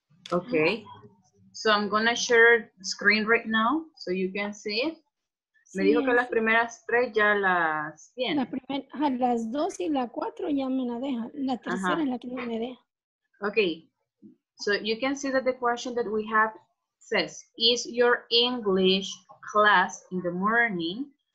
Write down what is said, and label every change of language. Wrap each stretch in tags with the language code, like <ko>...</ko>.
<en>Okay. So I'm going to share screen right now so you can see it.</en> <es>Me dijo que las primeras tres ya las tiene. Las dos y la cuatro ya me la deja. La tercera es la que no me deja.</es> <en>Okay. So you can see that the question that we have says, is your English class in the morning?</en>